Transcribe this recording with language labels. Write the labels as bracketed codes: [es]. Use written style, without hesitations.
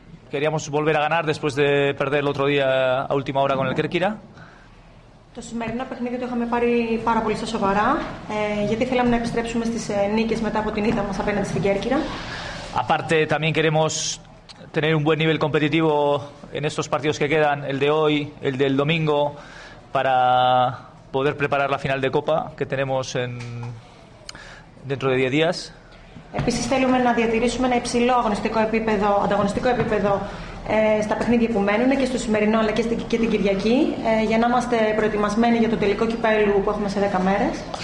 [es] Queríamos volver a ganar después de perder el otro día a última hora con el Kerkira. [el] Το σημερινό παιχνίδι το είχαμε πάρει πάρα πολύ στα σοβαρά, γιατί θέλαμε να επιστρέψουμε στις νίκες μετά από την ήττα μας απέναντι στην Κέρκυρα. [es] Aparte, también queremos tener un buen nivel competitivo en estos partidos que quedan, el de hoy, el del domingo, para poder preparar la final de Copa que tenemos dentro de 10 días. [el] Επίσης θέλουμε να διατηρήσουμε ένα υψηλό ανταγωνιστικό επίπεδο στα παιχνίδια που μένουν και στο σημερινό αλλά και την Κυριακή για να είμαστε προετοιμασμένοι για το τελικό κυπέλλου που έχουμε σε 10 μέρες.